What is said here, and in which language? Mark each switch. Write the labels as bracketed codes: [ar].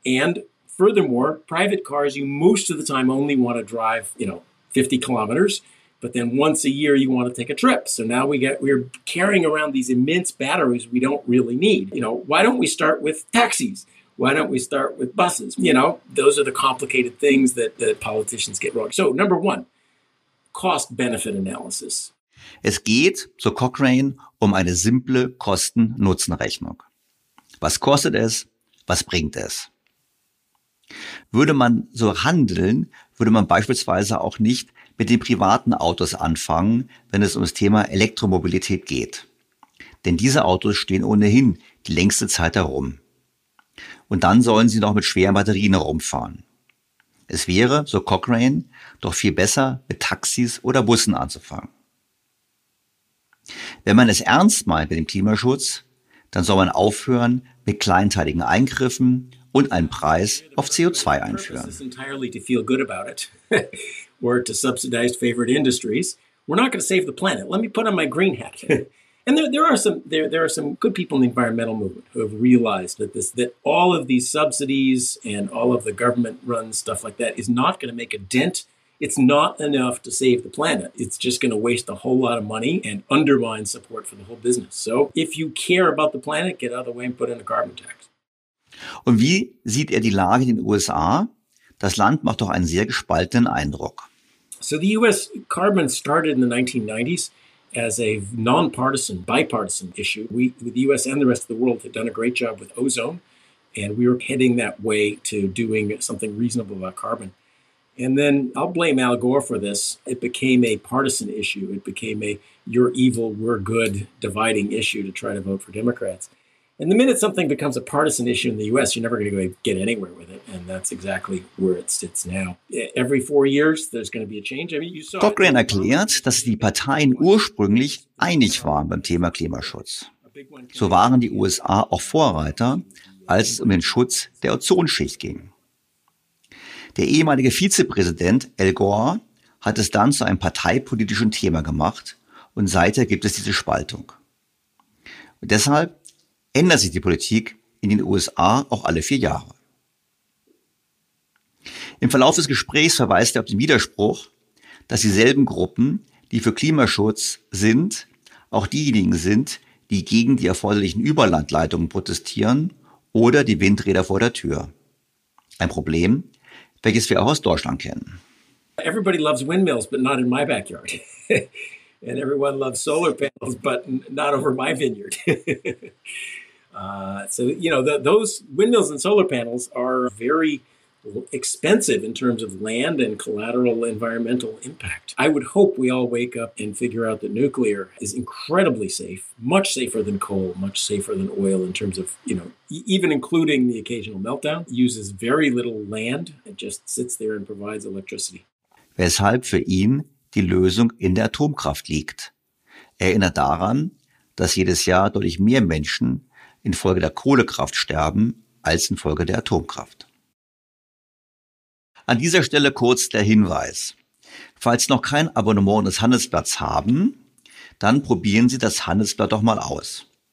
[en] And furthermore, private cars, you most of the time only want to drive, you know, 50 kilometers, but then once a year you want to take a trip. So now we're carrying around these immense batteries we don't really need. You know, why don't we start with taxis? Why don't we start with buses? You know, those are the complicated things that politicians get wrong. So number one, cost-benefit analysis. [de] Es geht, so Cochrane, eine simple Kosten-Nutzen-Rechnung. Was kostet es? Was bringt es? Würde man so handeln, würde man beispielsweise auch nicht mit den privaten Autos anfangen, wenn es um das Thema Elektromobilität geht. Denn diese Autos stehen ohnehin die längste Zeit herum. Und dann sollen sie noch mit schweren Batterien herumfahren. Es wäre, so Cochrane, doch viel besser, mit Taxis oder Bussen anzufangen. Wenn man es ernst meint mit dem Klimaschutz, dann soll man aufhören mit kleinteiligen Eingriffen und einen Preis auf CO2 einführen. Das ist [en] entirely to feel good about it or to subsidize favorite industries. We're not going to save the planet. Let me put on my green hat. And there are some good people in the environmental movement who have realized that all of these subsidies and all of the government run stuff like that is not going to make a dent. It's not enough to save the planet. It's just going to waste a whole lot of money and undermine support for the whole business. So if you care about the planet, get out of the way and put in a carbon tax. [de] Und wie sieht die Lage in den USA? Das Land macht doch einen sehr gespaltenen Eindruck. [en] So the US carbon started in the 1990s. As a nonpartisan, bipartisan issue, we, the U.S. and the rest of the world, had done a great job with ozone, and we were heading that way to doing something reasonable about carbon. And then, I'll blame Al Gore for this, it became a partisan issue. It became a you're evil, we're good dividing issue to try to vote for Democrats. And the minute something becomes a partisan issue in the U.S., you're never going to get anywhere with it. And that's exactly where it sits now. Every 4 years, there's going to be a change. I mean, you saw [de] Cochrane erklärt, dass die Parteien ursprünglich einig waren beim Thema Klimaschutz. So waren die USA auch Vorreiter, als es den Schutz der Ozonschicht ging. Der ehemalige Vizepräsident Al Gore hat es dann zu einem parteipolitischen Thema gemacht und seither gibt es diese Spaltung. Und deshalb ändert sich die Politik in den USA auch alle 4 Jahre. Im Verlauf des Gesprächs verweist er auf den Widerspruch, dass dieselben Gruppen, die für Klimaschutz sind, auch diejenigen sind, die gegen die erforderlichen Überlandleitungen protestieren oder die Windräder vor der Tür. Ein Problem, welches wir auch aus Deutschland kennen. [en] Everybody loves windmills, but not in my backyard. And everyone loves solar panels, but not over my vineyard. those windmills and solar panels are very expensive in terms of land and collateral environmental impact. I would hope we all wake up and figure out that nuclear is incredibly safe, much safer than coal, much safer than oil in terms of, you know, even including the occasional meltdown, uses very little land. It just sits there and provides electricity. [de] Weshalb für ihn die Lösung in der Atomkraft liegt. Erinnert daran, dass jedes Jahr deutlich mehr Menschen infolge der Kohlekraft sterben als infolge der Atomkraft. An dieser Stelle kurz der Hinweis. Falls Sie noch kein Abonnement des Handelsblatts haben, dann probieren Sie das Handelsblatt doch mal aus.